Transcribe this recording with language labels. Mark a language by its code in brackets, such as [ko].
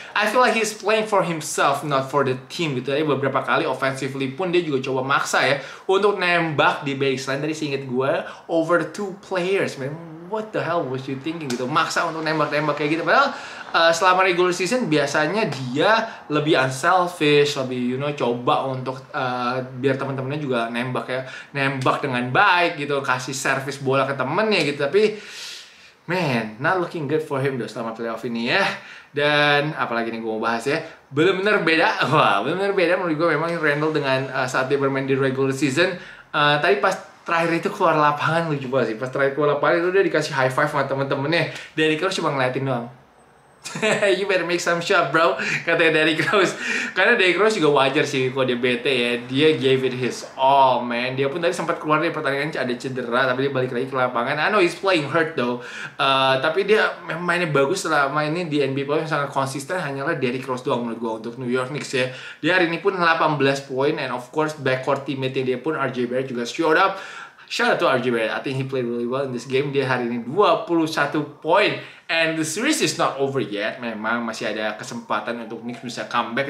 [en] I feel like he's playing for himself, not for the team [id] gitu. Jadi beberapa kali offensively pun dia juga coba maksa ya untuk nembak di baseline dari seinget gue over two players. [en] Man, what the hell was you thinking gitu? [id] Maksa untuk nembak-nembak kayak gitu. Padahal selama regular season biasanya dia lebih unselfish, lebih you know coba untuk biar teman-temannya juga nembak ya, nembak dengan baik gitu, kasih service bola ke temennya gitu. [en] Tapi man, not looking good for him [id] deh selama [en] playoff ini ya. [id] Dan apalagi nih gue mau bahas ya, benar-benar beda. Wah, benar-benar beda menurut gue memang Randle dengan saat dia bermain di regular season. Tapi pas terakhir itu keluar lapangan lucu banget sih. Pas terakhir keluar lapangan itu dia dikasih high five sama temen-temennya. Derrick Rose cuma ngeliatin doang. [en] You better make some shot bro, [id] katanya [en] Derrick Rose. [id] Karena Derrick Rose juga wajar sih kalau dia bete ya. Dia [en] gave it his all man. [id] Dia pun tadi sempat keluar dari pertandingan ada cedera, tapi dia balik lagi ke lapangan. [en] I know he's playing hurt though. [id] Tapi dia mainnya bagus selama ini di NBA yang sangat konsisten. Hanyalah Derrick Rose doang menurut gue untuk New York Knicks ya. Dia hari ini pun 18 poin. [en] And of course backcourt teammate [id] dia pun [en] RJ Barrett juga showed up. Shout out to RJ Barrett, I think he played really well in this game. [id] Dia hari ini 21 poin. [en] And the series is not over yet. [id] Memang masih ada kesempatan untuk Knicks bisa comeback.